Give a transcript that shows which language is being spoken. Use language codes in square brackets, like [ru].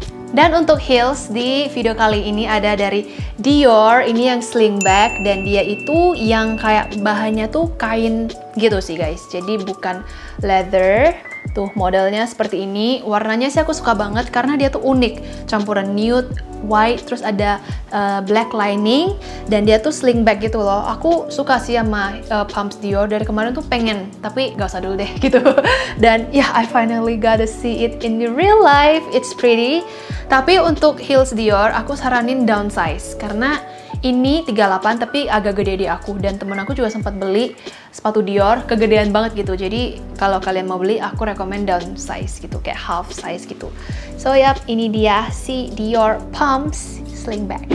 [id] Dan untuk heels di video kali ini ada dari Dior, ini yang sling bag, dan dia itu yang kayak bahannya tuh kain gitu sih guys, jadi bukan leather. Tuh modelnya seperti ini, warnanya sih aku suka banget karena dia tuh unik, campuran nude, white, terus ada black lining, dan dia tuh sling bag gitu loh. Aku suka sih sama pumps Dior, dari kemarin tuh pengen, tapi gak usah dulu deh gitu. Dan ya, [en] yeah, I finally gotta see it in the real life, it's pretty. [id] Tapi untuk heels Dior, aku saranin downsize, karena ini 38 tapi agak gede di aku, dan temen aku juga sempat beli sepatu Dior kegedean banget gitu. Jadi kalau kalian mau beli, aku rekomend down size gitu, kayak half size gitu. [en] So yep, [id] ini dia si Dior Pumps Sling Bag.